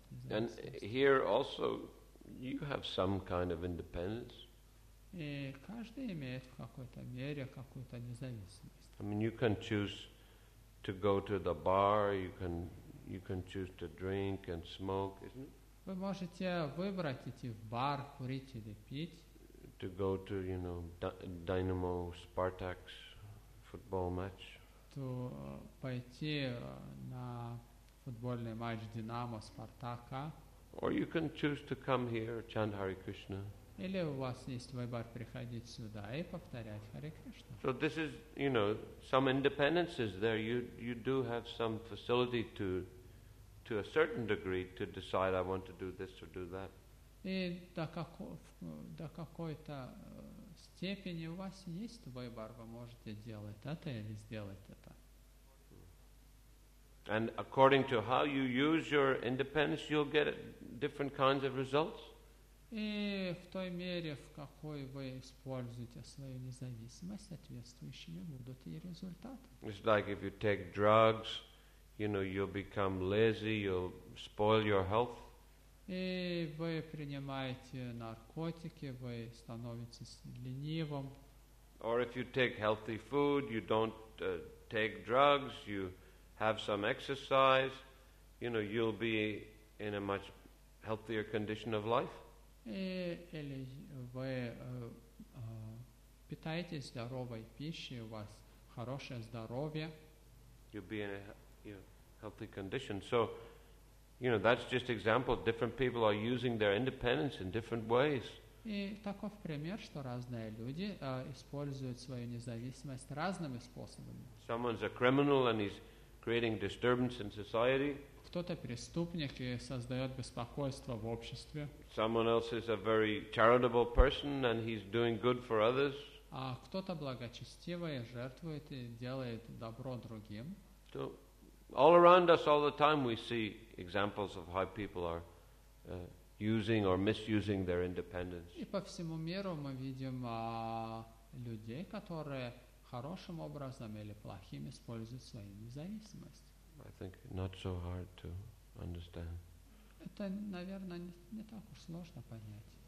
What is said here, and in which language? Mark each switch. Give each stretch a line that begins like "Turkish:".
English: And here also, you have some kind of independence.
Russian: И каждый имеет в какой-то мере какую-то независимость.
English: I mean, you can choose to go to the bar. You can choose to drink and smoke, isn't it?
Russian: Вы можете выбрать идти в бар, курить или пить.
English: To go to, you know, Dynamo Spartak football match.
Russian: То пойти на футбольный матч Динамо Спартака.
English: Or you can choose to come here, chant Hare Krishna.
Russian: Или у вас есть выбор приходить сюда и повторять Hare Krishna.
English: So this is, you know, some independence is there. You do have some facility to a certain degree to decide I want to do this or do that.
Russian: И до какой-то степени у вас есть выбор, вы можете делать это или сделать это.
English: And according to how you use your independence, you'll get different kinds of results.
Russian: И в той мере, в какой вы используете свою независимость, соответствующими будут и результаты.
English: It's like if you take drugs, you know, you'll become lazy, you'll spoil your health.
Russian: И вы принимаете наркотики, вы становитесь ленивым.
English: Or if you take healthy food, you don't take drugs, you have some exercise, you know, you'll be in a much healthier condition of life.
Russian: Или вы питаетесь здоровой пищей, у вас хорошее здоровье.
English: You'll be in a healthy condition. So, you know, that's just example. Different people are using their independence in different ways.
Russian: И таков пример, что разные люди используют свою независимость разными способами.
English: Someone's a criminal and he's creating disturbance in society.
Russian: Кто-то преступник и создает беспокойство в обществе.
English: Someone else is a very charitable person and he's doing good for others.
Russian: А кто-то благочестивый, жертвует и делает добро другим.
English: So, all around us, all the time, we see examples of how people are using or misusing their independence.
Russian: И по всему миру мы видим людей, которые хорошим образом или плохим используют свою независимость.
English: I think not so hard to understand.
Russian: Это, наверное, не так уж сложно понять.